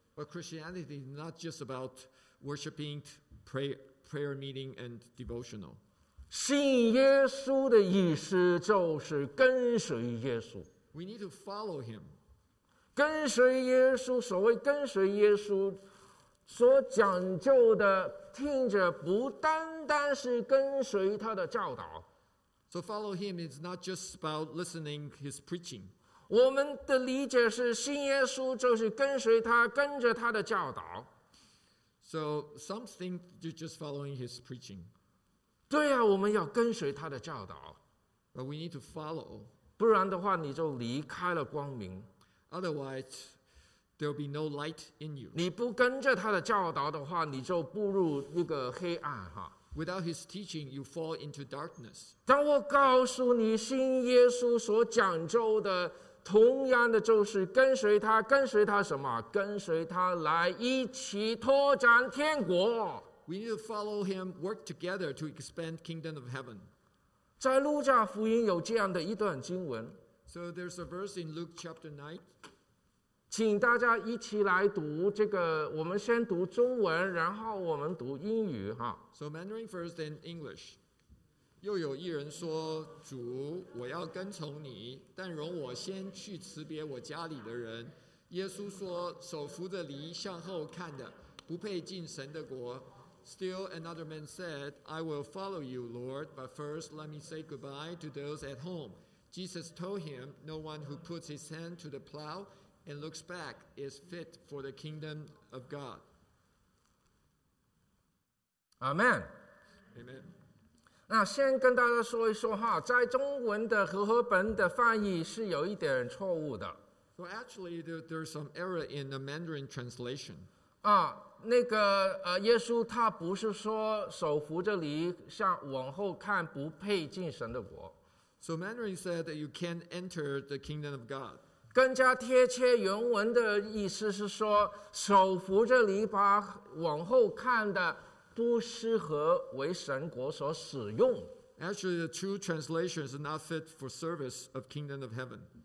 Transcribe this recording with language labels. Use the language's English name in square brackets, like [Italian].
[English] But Christianity is not just about worshiping, prayer meeting, and devotional. [Chinese] 信耶稣的意思就是跟随耶稣。 [English] We need to follow him. [Chinese] 跟随耶稣，所谓跟随耶稣所讲究的，听着不单单是跟随他的教导。 [English] So follow him is not just about listening his preaching. [Chinese] 我们的理解是信耶稣就是跟随他，跟着他的教导。 [English] So some think you're just following his preaching. [Chinese] 对啊，我们要跟随他的教导。 [English] But we need to follow. [Chinese] 不然的话，你就离开了光明。 [English] Otherwise. There will be no light in you. [Chinese] 你不跟着他的教导的话，你就步入一个黑暗哈。 [English] Without his teaching, you fall into darkness. [Chinese] 当我告诉你信耶稣所讲究的，同样的就是跟随他，跟随他什么？跟随他来一起拓展天国。 [English] We need to follow him, work together to expand kingdom of heaven. [Chinese] 在路加福音有这样的一段经文。 [English] So there's a verse in Luke chapter 9. [Chinese] 请大家一起来读这个，我们先读中文，然后我们读英语哈。 [English] So Mandarin first, then English. [Chinese] 又有一人说，主，我要跟从你，但容我先去辞别我家里的人。耶稣说，手扶着犁向后看的，不配进神的国。 [English] Still another man said, I will follow you, Lord, but first let me say goodbye to those at home. Jesus told him, no one who puts his hand to the plow,and looks back is fit for the kingdom of God. Amen. Amen. [Chinese] 那先跟大家说一说哈，在中文的和合本的翻译是有一点错误的。 [English] So actually, there's some error in the Mandarin translation. [Chinese] 啊，那个耶稣他不是说手扶着犁向往后看不配进神的国。 [English] So Mandarin said that you can't enter the kingdom of God. [Chinese] 更加贴切原文的意思是说，手扶着犁把往后看的不适合为神国所使用。 [English] Actually, the true translation is not fit for service of kingdom of heaven.